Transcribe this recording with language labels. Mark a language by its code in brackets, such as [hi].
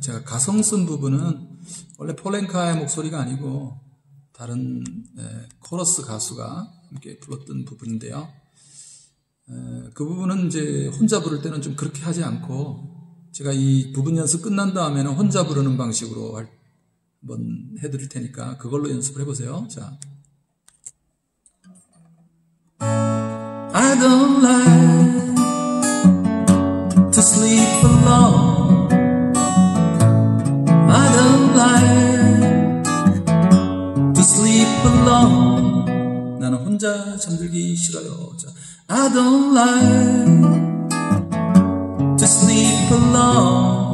[ko] 제가 가성 쓴 부분은 원래 폴렌카의 목소리가 아니고 다른 코러스 가수가 함께 불렀던 부분인데요. 그 부분은 이제 혼자 부를 때는 좀 그렇게 하지 않고 제가 이 부분 연습 끝난 다음에는 혼자 부르는 방식으로 한번 해드릴 테니까 그걸로 연습을 해보세요. 자. [en] I don't like to sleep alone. I don't like to sleep alone. [ko] 나는 혼자 잠들기 싫어요. [en] I don't like to sleep alone.